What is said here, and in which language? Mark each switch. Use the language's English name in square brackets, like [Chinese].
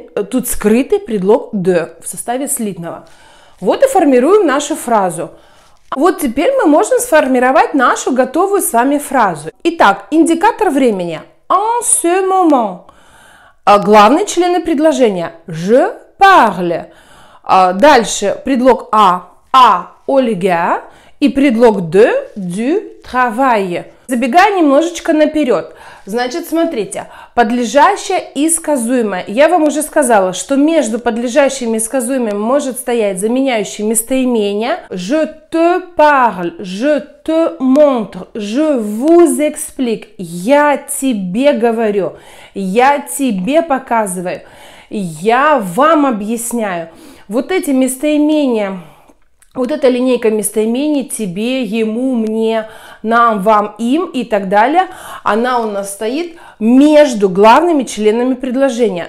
[Russian] Тут скрытый предлог de в составе слитного. Вот и формируем нашу фразу. Вот теперь мы можем сформировать нашу готовую с вами фразу. Итак, индикатор времени. [French] En ce moment. [Russian] Главные члены предложения. [French] Je parle. [Russian] Дальше предлог [French] A. A. Olga. [Russian] и предлог [French] de, du, travail. [Russian] Забегая немножечко наперед. Значит, смотрите, подлежащее и сказуемое. Я вам уже сказала, что между подлежащим и сказуемым может стоять заменяющее местоимение. [French] Je te parle, je te montre, je vous explique. [Russian] Я тебе говорю, я тебе показываю, я вам объясняю. Вот эти местоимения, вот эта линейка местоимений «тебе», «ему», «мне», «нам», «вам», «им» и так далее, она у нас стоит между главными членами предложения.